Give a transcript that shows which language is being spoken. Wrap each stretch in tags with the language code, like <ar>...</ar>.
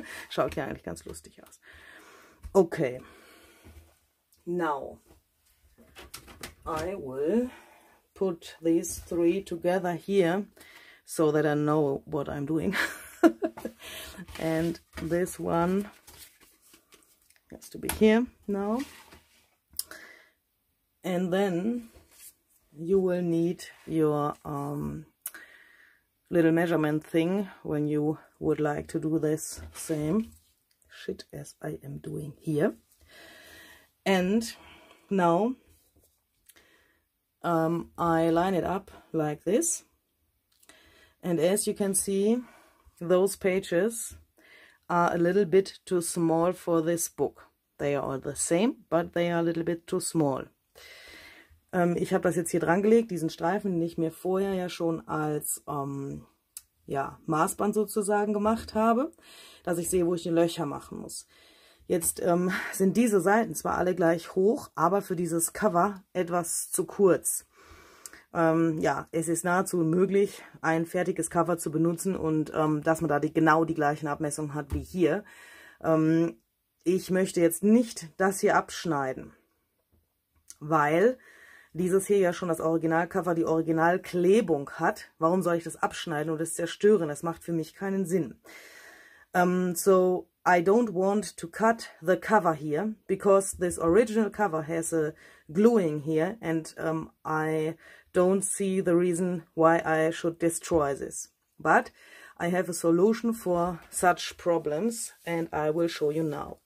<de>Schaut ja eigentlich ganz lustig aus. Okay.</de> <en>Now, I will put these three together here, so that I know what I'm doing. And this one has to be here now. And then you will need your little measurement thing when you would like to do this same shit as I am doing here. And now I line it up like this, and as you can see, those pages are a little bit too small for this book. They are all the same, but they are a little bit too small.</en> <de>Ich habe das jetzt hier dran gelegt, diesen Streifen, den ich mir vorher ja schon als ja, Maßband sozusagen gemacht habe, dass ich sehe, wo ich die Löcher machen muss. Jetzt sind diese Seiten zwar alle gleich hoch, aber für dieses Cover etwas zu kurz. Ja, es ist nahezu unmöglich, ein fertiges Cover zu benutzen und dass man da genau die gleichen Abmessungen hat wie hier. Ich möchte jetzt nicht das hier abschneiden, weil dieses hier ja schon das Originalcover, die Originalklebung hat. Warum soll ich das abschneiden und es zerstören? Das macht für mich keinen Sinn.</de> <en>I don't want to cut the cover here, because this original cover has a gluing here, and I don't see the reason why I should destroy this. But I have a solution for such problems, and I will show you now.</en>